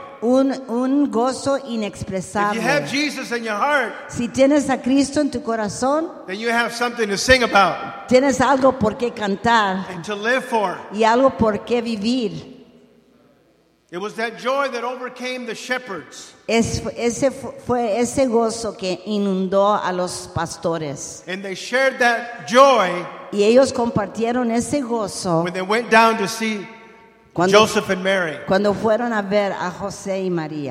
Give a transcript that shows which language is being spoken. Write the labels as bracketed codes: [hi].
[es] un gozo inexpresable. [en] If you have Jesus in your heart, [es] si tienes a Cristo en tu corazón, [en] then you have something to sing about. [es] Tienes algo por qué cantar. [en] And to live for. [es] Y algo por qué vivir. [en] It was that joy that overcame the shepherds. [es] Ese fue gozo que inundó a los pastores. [en] And they shared that joy. [es] Y ellos compartieron ese gozo. [en] When they went down to see Joseph and Mary. [es] Cuando fueron a ver a José y María.